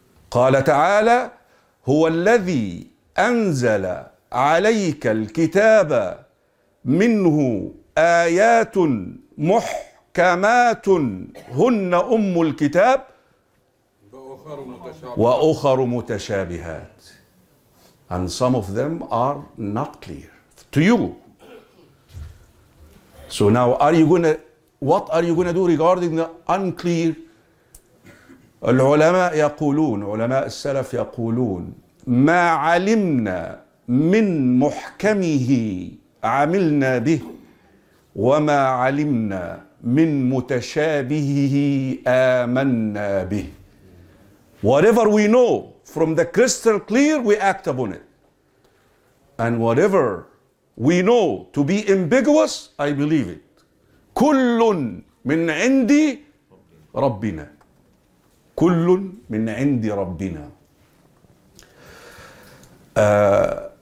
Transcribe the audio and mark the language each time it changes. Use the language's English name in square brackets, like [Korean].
[Arabic] قال تعالى هو الذي أنزل عليك الكتاب منه آيات محكمات هن أم الكتاب وأخر متشابهات. [English] And some of them are not clear to you. So now, what are you going to do regarding the unclear? [Arabic] العلماء يقولون, علماء السلف يقولون, ما علمنا من محكمه عملنا به, وما علمنا من متشابهه آمنا به. [English] Whatever we know from the crystal clear, we act upon it. And whatever we know to be ambiguous, I believe it. [Arabic] كُلٌّ مِنْ عِنْدِ رَبِّنَا. كُلٌّ مِنْ عِنْدِ رَبِّنَا.